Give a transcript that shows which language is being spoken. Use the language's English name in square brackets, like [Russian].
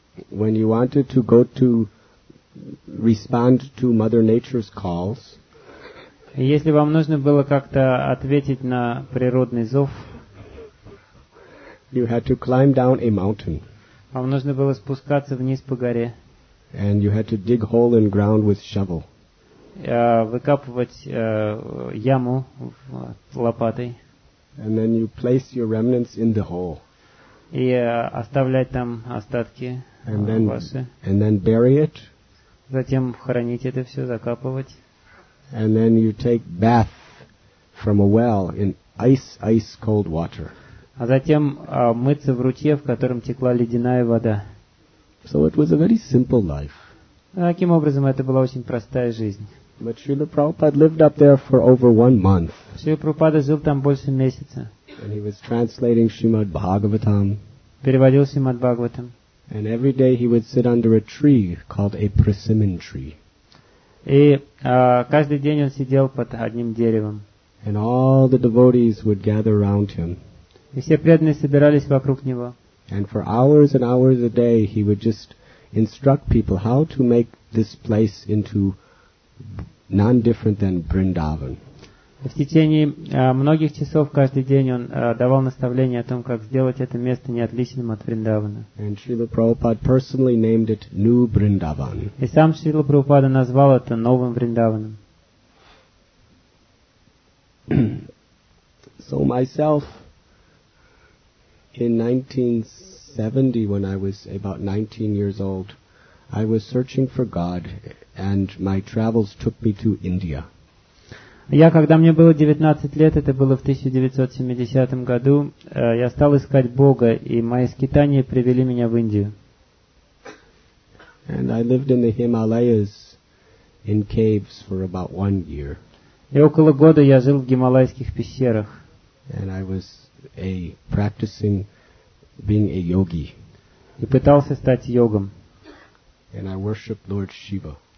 [English] When you wanted to go to respond to Mother Nature's calls, [Russian] если вам нужно было как-то ответить на природный зов, [English] you had to climb down a mountain. [Russian] Вам нужно было спускаться вниз по горе. [English] And you had to dig hole in ground with shovel. [Russian] Выкапывать яму лопатой. [English] And then you place your remnants in the hole. [Russian] И оставлять там остатки ваши. [English] And then bury it. [Russian] Затем хоронить это все, закапывать. [English] And then you take bath from a well in ice cold water. [Russian] А затем мыться в ручье, в котором текла ледяная вода. [English] So it was a very simple life. [Russian] Таким образом, это была очень простая жизнь. [English] But Srila Prabhupada lived up there for over 1 month. [Russian] Srila Prabhupada жил там больше месяца. [English] And he was translating Srimad Bhagavatam. [Russian] Переводил Srimad Bhagavatam. [English] And every day he would sit under a tree called a persimmon tree. [Russian] И каждый день он сидел под одним деревом. [English] And all the devotees would gather around him. [Russian] И все преданные собирались вокруг него. [English] And for hours and hours a day he would just instruct people how to make this place into non-different than Vrindavan. [Russian] В течение многих часов каждый день он давал наставления о том, как сделать это место неотличным от Вриндавана. [English] And Srila Prabhupada personally named it New Vrindavan. [Russian] И сам Srila Prabhupada назвал это новым Вриндаваном. [English] So myself, in 1970, when I was about 19 years old, I was searching for God, and my travels took me to India. [Russian] Я, когда мне было 19 лет, это было в 1970 году, я стал искать Бога, и мои скитания привели меня в Индию. [English] And I lived in the Himalayas in caves for about 1 year. [Russian] И около года я жил в гималайских пещерах. [English] And I was practicing being a yogi. [Russian] И пытался стать йогом. [English] And I worshiped Lord Shiva.